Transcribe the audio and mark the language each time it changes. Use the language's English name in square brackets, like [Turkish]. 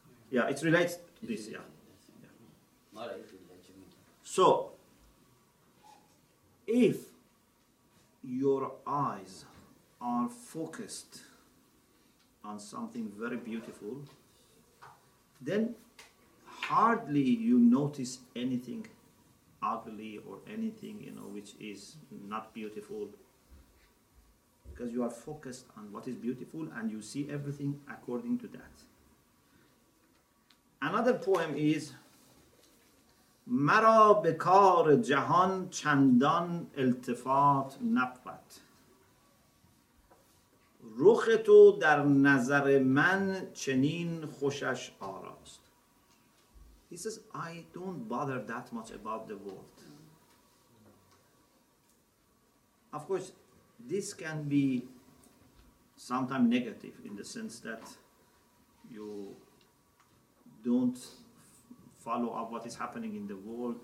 [English] Yeah, it relates to this, yeah. So, if your eyes are focused on something very beautiful, then hardly you notice anything ugly or anything, you know, which is not beautiful. Because you are focused on what is beautiful and you see everything according to that. Another poem is [Persian] مَرَا بِكَارْ جَهَانْ چَنْدَانْ اِلْتِفَاتْ نَبْوَتْ رُخ تو در نظر من چنین خوشش آراست. [English] He says, I don't bother that much about the world. Of course, this can be sometimes negative in the sense that you don't follow up what is happening in the world.